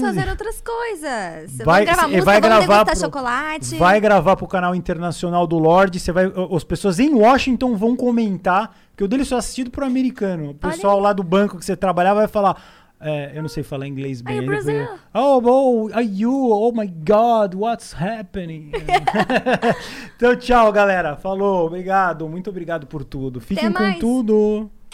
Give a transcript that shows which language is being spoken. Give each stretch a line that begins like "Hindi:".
Portuguese: Vamos fazer outras coisas. Vai gravar música, vai degustar chocolate. Vai gravar pro canal internacional do Lorde. As pessoas em Washington vão comentar, porque o dele só é assistido pro americano. O pessoal lá do banco que você trabalhava vai falar... É, eu não sei falar inglês bem.
English: Are you Brazil? Oh, are you? Oh my God, what's happening?
Portuguese: Então, tchau, galera. Falou, obrigado. Muito obrigado por tudo. Fiquem com tudo.